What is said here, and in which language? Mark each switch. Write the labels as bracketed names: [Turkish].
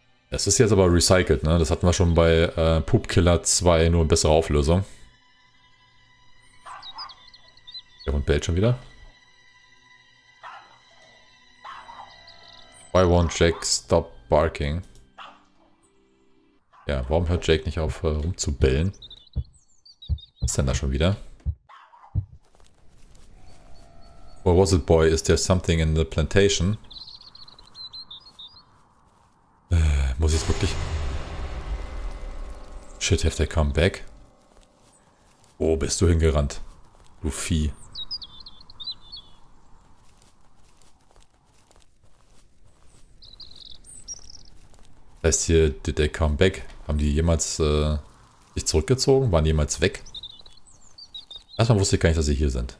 [German] Es ist jetzt aber recycelt, ne? Das hatten wir schon bei Poopkiller 2, nur in besserer Auflösung. Der Hund bellt schon wieder. [English] Why won't Jake stop barking? [German] Ja, warum hört Jake nicht auf rumzubellen? Was ist denn da schon wieder? [English] What was it, boy? Is there something in the plantation? [German] Muss ich jetzt wirklich... [English] Shit, have they come back? [German] Wo bist du hingerannt? Du Vieh. Heißt hier, [English] did they come back? [German] Haben die jemals sich zurückgezogen? Waren die jemals weg? Erstmal wusste ich gar nicht, dass sie hier sind.